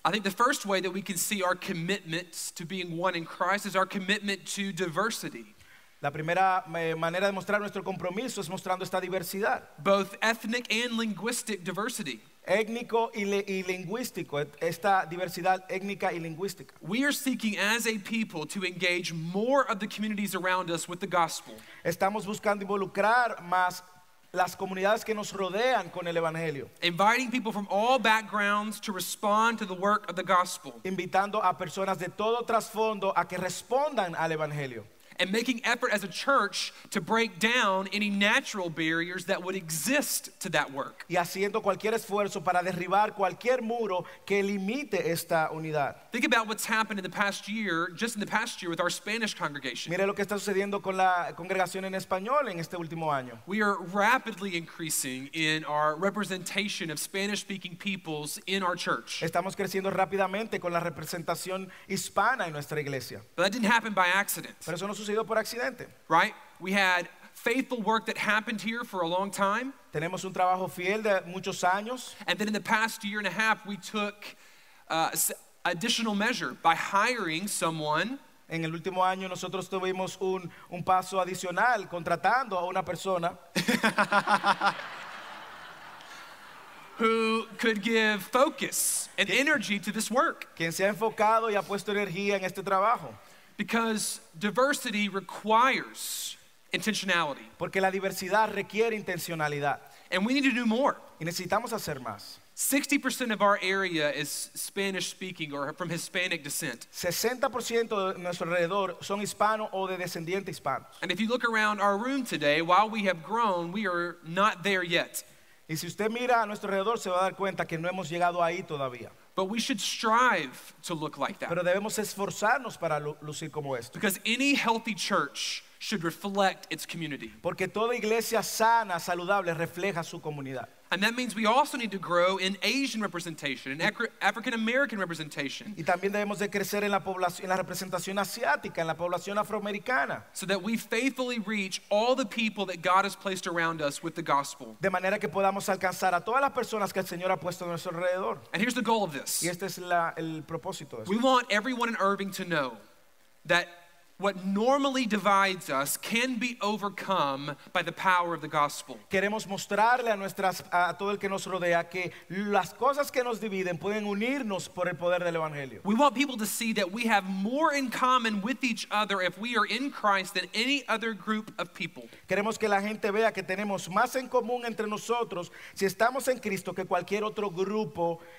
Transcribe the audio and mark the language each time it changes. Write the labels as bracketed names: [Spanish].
[English] I think the first way that we can see our commitments to being one in Christ is our commitment to diversity. [Spanish] La primera manera de mostrar nuestro compromiso es mostrando esta diversidad. [English] Both ethnic and linguistic diversity. [Spanish] Étnico y lingüístico, esta diversidad étnica y lingüística. [English] We are seeking as a people to engage more of the communities around us with the gospel. [Spanish] Estamos buscando involucrar más las comunidades que nos rodean con el evangelio. [English] Inviting people from all backgrounds to respond to the work of the gospel. [Spanish] Invitando a personas de todo trasfondo a que respondan al evangelio. [English] And making effort as a church to break down any natural barriers that would exist to that work. [Spanish] Y haciendo cualquier esfuerzo para derribar cualquier muro que limite esta unidad. [English] Think about what's happened in the past year, just in the past year, with our Spanish congregation. [Spanish] Mire lo que está sucediendo con la congregación en español en este último año. [English] We are rapidly increasing in our representation of Spanish-speaking peoples in our church. [Spanish] Estamos creciendo rápidamente con la representación hispana en nuestra iglesia. [English] But that didn't happen by accident. [Spanish] Pero eso no sucedió por accidente. [English] Right? We had faithful work that happened here for a long time. [Spanish] Tenemos un trabajo fiel de muchos años. [English] And then in the past year and a half, we took additional measure by hiring someone. [Spanish] En el último año nosotros tuvimos un paso adicional contratando a una persona [English] who could give focus and energy to this work. [Spanish] Quien se ha enfocado y ha puesto energía en este trabajo. [English] Because diversity requires intentionality. [Spanish] Porque la diversidad requiere intencionalidad. [English] And we need to do more. [Spanish] Y necesitamos hacer más. [English] 60% of our area is Spanish speaking or from Hispanic descent. [Spanish] 60% de nuestro alrededor son hispano o de descendiente hispano. [English] And if you look around our room today, while we have grown, we are not there yet. [Spanish] Y si usted mira a nuestro alrededor, se va a dar cuenta que no hemos llegado ahí todavía. [English] But we should strive to look like that. [Spanish] Pero debemos esforzarnos para lucir como esto. [English] Because any healthy church should reflect its community. [Spanish] Porque toda iglesia sana, saludable, refleja su comunidad. [English] And that means we also need to grow in Asian representation, in African American representation. [Spanish] Y también debemos de crecer en la población, en la representación asiática, en la población afroamericana. [English] So that we faithfully reach all the people that God has placed around us with the gospel. [Spanish] De manera que podamos alcanzar a todas las personas que el Señor ha puesto a nuestro alrededor. [English] And here's the goal of this. [Spanish] Y este es el propósito. [English] We want everyone in Irving to know that what normally divides us can be overcome by the power of the gospel. [Spanish] Queremos mostrarle a todo el que nos rodea que las cosas que nos dividen pueden unirnos por el poder del evangelio. [English] We want people to see that we have more in common with each other if we are in Christ than any other group of people. [Spanish] Queremos que la gente vea que tenemos más en común entre nosotros si estamos en Cristo que cualquier otro grupo.